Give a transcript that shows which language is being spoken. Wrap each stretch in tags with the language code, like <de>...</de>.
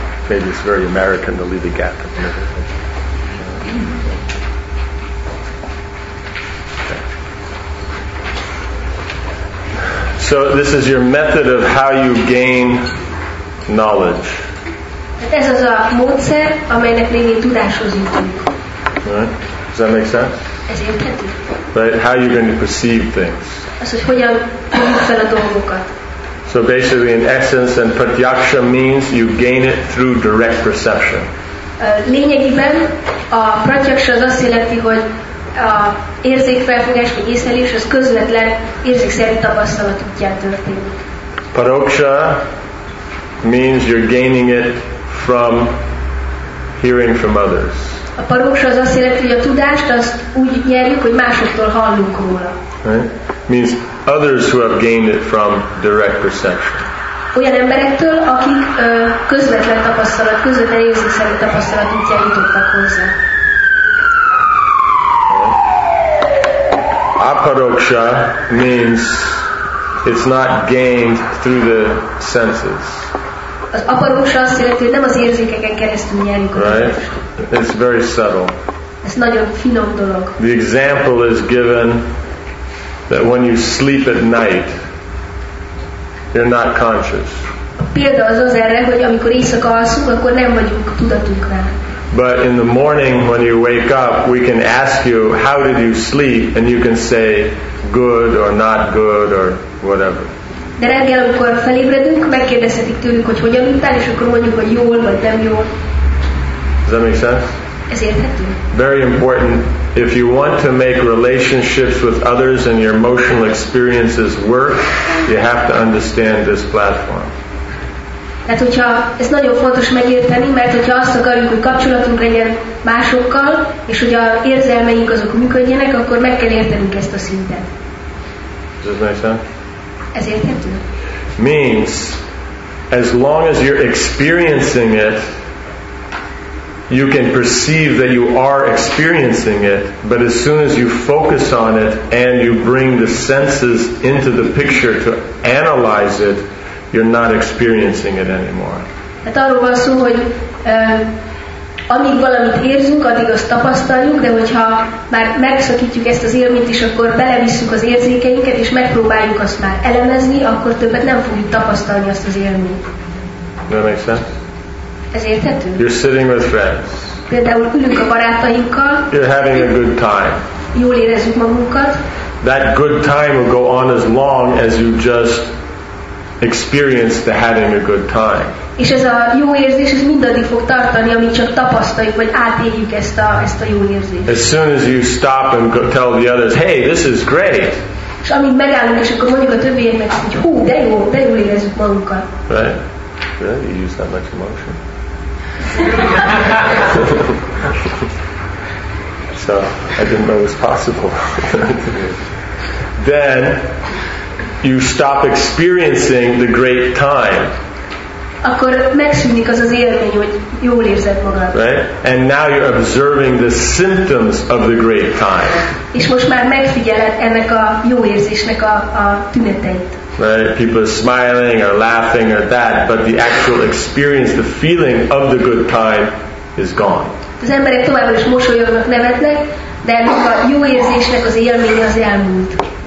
<en>Maybe it's very American to leave a gap. So this is your method of how you gain knowledge.</en> <hu>Ez az a módszer, amelynek lényeg tudáshoz jutunk.</hu> <en>Does that make sense?</en> <hu>Ez érthető.</hu> <en>Right? How you're going to perceive things.</en> <hu>Az, hogy hogyan fogjuk fel a dolgokat.</hu> <en>So basically, in essence, and pratyaksha means you gain it through direct perception.</en> <hu>Lényegében a pratyaksha az azt jelenti, hogy érzékfelfogás vagy észlelés az közvetlen érzékszervi tapasztalat útján történik.</hu> <en>Paroksha means you're gaining it from hearing from others.</en> <hu>A paroksha az azt jelenti, hogy a tudást az úgy nyerjük, hogy másoktól hallunk róla.</hu> <en>Right? Means others who have gained it from direct perception.</en> <hu>Olyan emberektől, akik közvetlen tapasztalat, közvetlen érzékszervi tapasztalat útján jutottak hozzá.</hu> <en>Aparoksha means it's not gained through the senses.</en> <hu>Az aparoksha azt jelenti, hogy nem az érzékeken keresztül nyerjük.</hu> <en>Right? It's very subtle.</en> <hu>Ez nagyon finom dolog.</hu> <en>The example is given that when you sleep at night, you're not conscious. A példa az az erre, hogy amikor éjszaka alszunk, akkor nem vagyunk tudatunkra. But in the morning when you wake up, we can ask you, how did you sleep? And you can say, good or not good or whatever.</en> <hu>De reggel, amikor felébredünk, megkérdezhetik tőlünk, hogy hogyan aludtál, és akkor mondjuk, hogy jól vagy nem jól.</hu> <en>Does that make sense?</en> <hu>Ez érthető.</hu> <en>Very important. If you want to make relationships with others and your emotional experiences work, you have to understand this platform.</en> <hu>Tehát hogyha ez nagyon fontos megérteni, mert hogyha azt akarjuk, hogy kapcsolatunk legyen másokkal, és hogy a érzelmeink azok működjenek, akkor meg kell értenünk ezt a szintet.</hu> <en>Does that make sense?</en> <hu>Ez érthető?</hu> <en>Means, as long as you're experiencing it, you can perceive that you are experiencing it, but as soon as you focus on it and you bring the senses into the picture to analyze it, you're not experiencing it anymore.</en> <hu>Hát arról van szó, hogy amíg valamit érzünk, addig azt tapasztaljuk, de hogyha már megszakítjuk ezt az élményt is, akkor belevisszük az érzékeinket, és megpróbáljuk azt már elemezni, akkor többet nem fogjuk tapasztalni azt az élményt.</hu> <en>That makes sense?</en> <hu>Ez érthető?</hu> <en>You're sitting with friends.</en> <hu>Például ülünk a barátainkkal.</hu> <en>You're having a good time.</en> <hu>Jól érezzük magunkat.</hu> <en>That good time will go on as long as you just experience the having a good time.</en> <hu>És ez a jó érzés, ez mindaddig fog tartani, amíg csak tapasztaljuk, vagy átéljük ezt a jó érzést.</hu> <en>As soon as you stop and go tell the others, hey, this is great.</en> <hu>És amíg megállunk, és akkor mondjuk a többieknek, hogy hú, de jó érezzük magunkat.</hu> <en>Right. Really? You use that much emotion. So, I didn't know it was possible. Then, you stop experiencing the great time.</en> <hu>Akkor megszűnik az az élmény, hogy jól érzed magad.</hu> <en>Right? And now you're observing the symptoms of the great time.</en> <hu>És most már megfigyeled ennek a jó érzésnek a tüneteit.</hu> <en>Right? People are smiling or laughing or that, but the actual experience, the feeling of the good time is gone.</en> <hu>Az emberek továbbra is mosolyognak, nevetnek, de a jó érzésnek az élménye az elmúlt.</hu>